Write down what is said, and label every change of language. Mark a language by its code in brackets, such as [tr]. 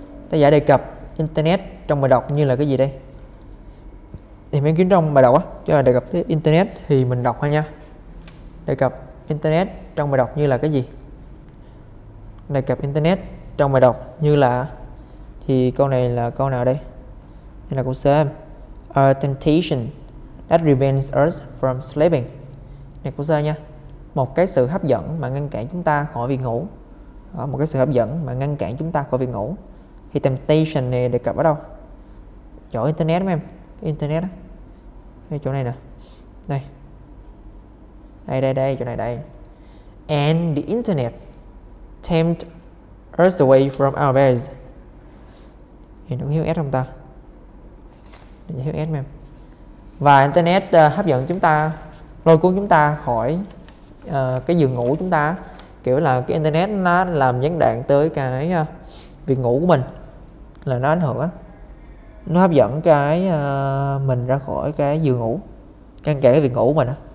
[vi] Tác giả đề cập internet trong bài đọc như là cái gì đây? Thì mình kiếm trong bài đọc á, chứ là đề cập tới internet thì mình đọc thôi nha. Đề cập internet trong bài đọc như là cái gì? Đề cập internet trong bài đọc như là, thì câu này là câu nào đây? Đây là câu C. [en] A temptation that prevents us from sleeping. [vi] Này câu C nha. Một cái sự hấp dẫn mà ngăn cản chúng ta khỏi việc ngủ. Đó, một cái sự hấp dẫn mà ngăn cản chúng ta khỏi việc ngủ. Thì temptation này đề cập ở đâu? Chỗ internet mấy em. Internet á. Đây chỗ này nè. Đây. Đây đây đây chỗ này đây. [en] And the internet tempt us away from our beds. [vi] Thì nó có hiểu S không ta? Để hiểu S mấy em. Và internet hấp dẫn chúng ta, lôi cuốn chúng ta khỏi cái giường ngủ chúng ta. Kiểu là cái internet nó làm gián đoạn tới cái việc ngủ của mình, là nó ảnh hưởng á, nó hấp dẫn cái mình ra khỏi cái giường ngủ, ngăn cản cái việc ngủ của mình á.